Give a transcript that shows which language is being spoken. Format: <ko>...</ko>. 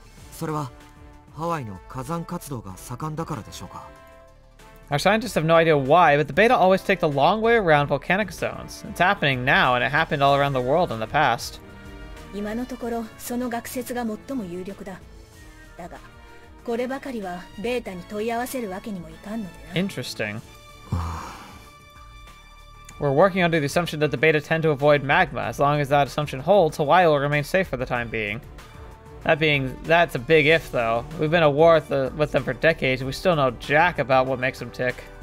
<ja>それはハワイの火山活動が盛んだからでしょうか?</ja> <en>Our scientists have no idea why, but the beta always take the long way around volcanic zones. It's happening now, and it happened all around the world in the past.</en> <ja>今のところその学説が最も有力だ。だが、こればかりはベータに問い合わせるわけにもいかんのでな。</ja> <en>Interesting. We're working under the assumption that the beta tend to avoid magma. As long as that assumption holds, Hawaii will remain safe for the time being. That's a big if, though. We've been at war with them for decades, and we still know jack about what makes them tick.</en>